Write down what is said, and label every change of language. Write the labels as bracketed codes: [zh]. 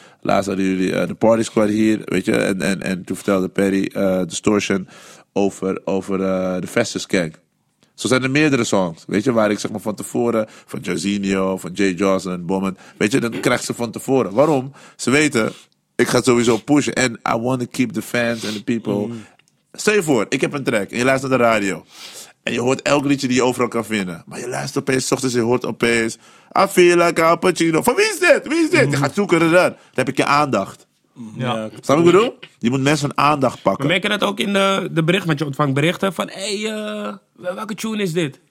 [nl] Laatst hadden jullie de Party Squad hier, weet je. En toen vertelde Perry Distortion over de Festus Gang. Zo zijn er meerdere songs, weet je, waar ik zeg maar van tevoren, van Jairzinho, van Jay Johnson en Bommen, weet je, dan krijgt ze van tevoren. Waarom? Ze weten, ik ga sowieso pushen. [en] En I want to keep the fans and the people. [nl] Stel je voor, ik heb een track en je luistert naar de radio. En je hoort elk liedje die je overal kan vinden. Maar je luistert opeens, 's ochtends, je hoort opeens, [en] I feel like Al Pacino. [nl] Van wie is dit? Wie is dit? Je gaat zoeken en dan heb ik je aandacht. Ja. Snap je wat ik bedoel? Je moet mensen hun aandacht pakken. We merken dat ook in de bericht, want je ontvangt berichten van, hey, welke tune is dit?